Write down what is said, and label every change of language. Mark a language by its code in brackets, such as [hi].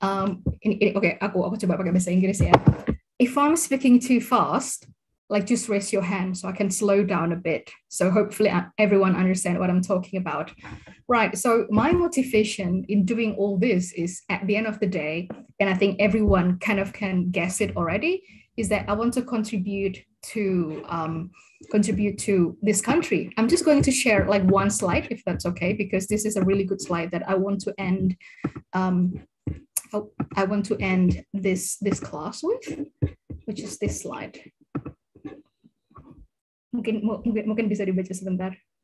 [id] Okay, aku coba pakai bahasa Inggris ya. [en] If I'm speaking too fast, like just raise your hand so I can slow down a bit. So hopefully everyone understand what I'm talking about. Right, so my motivation in doing all this is at the end of the day, and I think everyone kind of can guess it already, is that I want to contribute to this country. I'm just going to share like one slide, if that's okay, because this is a really good slide that I want to end this class with, which is this slide. [id] Mungkin bisa dibaca sebentar.